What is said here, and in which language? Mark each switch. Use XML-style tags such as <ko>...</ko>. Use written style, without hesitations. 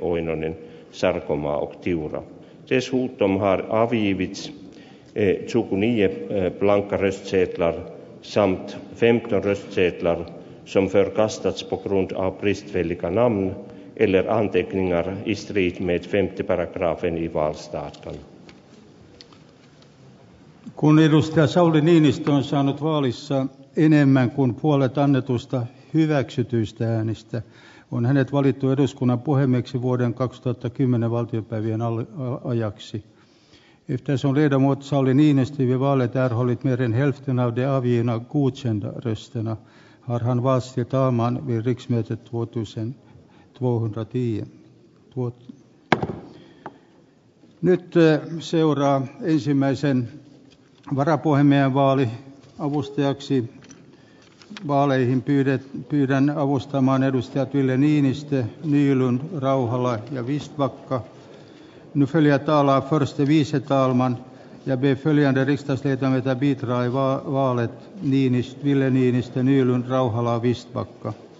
<sv>Oinonen, Sarkomaa och Tiura. Dessutom har avgivits 29 blanka röstsedlar samt 15 röstsedlar som förkastats på grund av bristfälliga namn eller anteckningar i strid med 5 paragrafen i valstadgan.</sv> <fi>Kun edustaja Sauli Niinistö on saanut vaalissa enemmän kuin puolet annetusta hyväksytyistä äänistä, on hänet valittu eduskunnan puhemieksi vuoden 2010 valtiopäivien ajaksi.</fi> <sv>Eftersom ledamot Sauli Niinistö vid valet erhållit mer än hälften av de avgivna godkända rösterna har han valts till talman vid riksmötet 2010.</sv> <fi>Nyt seuraa ensimmäisen varapuhemiehen vaali. Avustajaksi vaaleihin pyydän avustamaan edustajat Ville Niinistö, Nylund, Rauhala ja Vistbacka.</fi> <sv>Nu följer talar förste vice talman. Jag ber följande riksdagsledamöter bidra i valet: Niinistö, Ville Niinistö, Nylund, Rauhala ja Vistbacka.</sv>